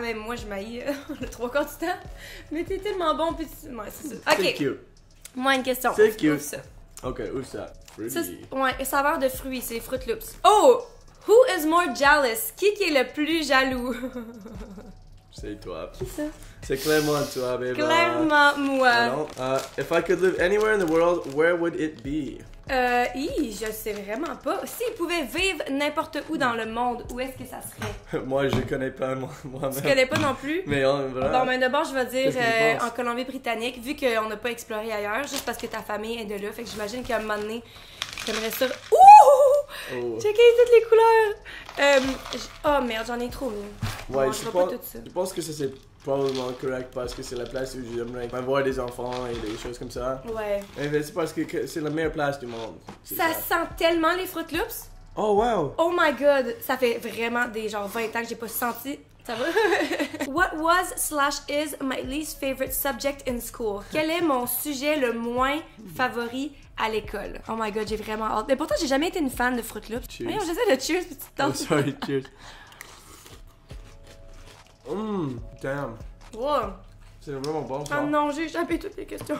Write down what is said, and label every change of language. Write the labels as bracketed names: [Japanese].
[French] Même moi, je m'haïs le trois quarts du temps. Mais t'es tellement bon, puis tu... Ouais, c'est ça. Ok. C'est cute. Moi, une question. C'est cute. Ouvre ça. Ok, ouvre ça. Ouais, et saveur de fruits, c'est Fruit Loops. [English] Oh! Who is more jealous? [French] Qui est le plus jaloux? C'est toi. Qui ça? C'est clairement toi, bébé. Clairement moi. Alors, [English] if I could live anywhere in the world, where would it be? [French] Je sais vraiment pas. S'il pouvait vivre n'importe où dans le monde, où est-ce que ça serait? Moi, je connais pas moi-même. Tu connais pas non plus? Mais en vrai. Bon, mais d'abord, je vais dire en Colombie-Britannique, vu qu'on n'a pas exploré ailleurs, juste parce que ta famille est de là. Fait que j'imagine qu'à un moment donné, t'aimerais ça. Ouh! Oh. Checker toutes les couleurs! Oh merde, j'en ai trop mis. Ouais, bon, je pense que ça c'est probablement correct parce que c'est la place où j'aimerais avoir des enfants et des choses comme ça. Ouais. Mais c'est parce que c'est la meilleure place du monde. Ça sent tellement les Fruit Loops. Oh wow. [English] Oh my god, [French] ça fait vraiment des genre 20 ans que j'ai pas senti. Ça va? [English] What was slash is my least favorite subject in school? [French] Quel est mon sujet le moins favori à l'école? [English] Oh my god, [French] j'ai vraiment hâte. Mais pourtant, j'ai jamais été une fan de Fruit Loops. [English] Cheers. [French] Voyons, j'essaie de cheers, petite tante. [English] Oh, sorry, cheers. Mmm, damn. Wow. [French] C'est vraiment bon, ça. Ah non, j'ai échappé toutes les questions.